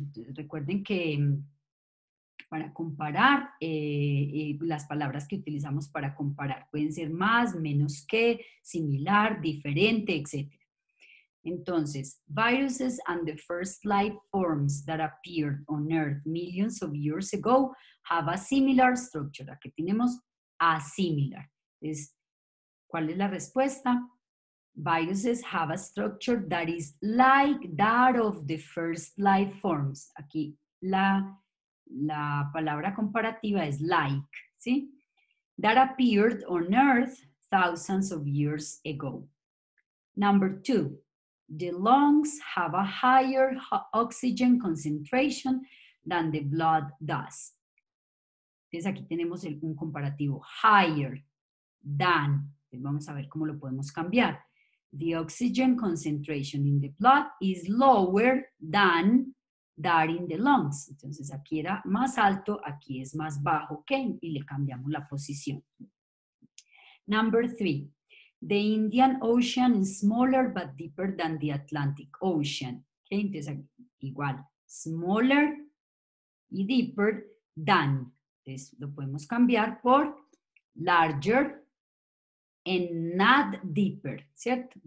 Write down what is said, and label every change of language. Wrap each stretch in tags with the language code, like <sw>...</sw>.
<es>Entonces, recuerden que para comparar, las palabras que utilizamos para comparar pueden ser más, menos que, similar, diferente, etc.</es> <en>Entonces, viruses and the first life forms that appeared on Earth millions of years ago have a similar structure.</en> <es>Aquí tenemos a similar. Entonces, ¿cuál es la respuesta?</es> <en>Viruses have a structure that is like that of the first life forms.</en> <es>Aquí la palabra comparativa es like, ¿sí?</es> <en>That appeared on Earth thousands of years ago. Number two. The lungs have a higher oxygen concentration than the blood does.</en> <es>Entonces aquí tenemos un comparativo, higher than. Vamos a ver cómo lo podemos cambiar.</es> <en>The oxygen concentration in the blood is lower than that in the lungs.</en> <es>Entonces aquí era más alto, aquí es más bajo, ¿ok? Y le cambiamos la posición.</es> <en>Number three. The Indian Ocean is smaller but deeper than the Atlantic Ocean.</en> <es>Okay, entonces igual, smaller y deeper than. Entonces lo podemos cambiar por</es> <en>larger and not deeper,</en> <es>¿cierto?</es>